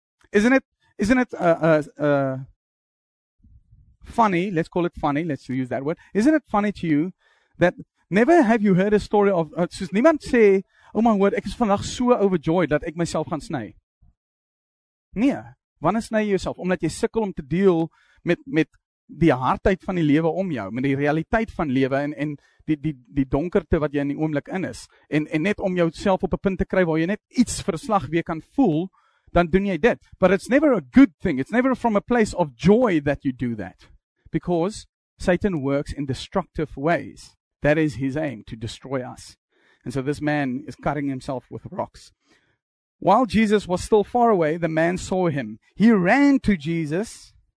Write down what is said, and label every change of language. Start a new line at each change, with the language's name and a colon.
English: Isn't it funny, let's call it funny, let's use that word. Isn't it funny to you that never have you heard a story of,
Afrikaans: soos niemand sê,
English: oh my word,
Afrikaans: ek is vandag so overjoyed dat ek myself gaan sny. Nee, wanneer sny jy jouself? Omdat jy sukkel om te deel met die hardheid van die lewe om jou, met die realiteit van lewe en die donkerte wat jy in die oomblik in is. En net om jouself op 'n punt te kry waar jy net iets verslag weer kan voel, dan doen jy dit.
English: But it's never a good thing. It's never from a place of joy that you do that. Because Satan works in destructive ways. That is his aim, to destroy us. And so this man is cutting himself with rocks. While Jesus was still far away, the man saw him. He ran to Jesus.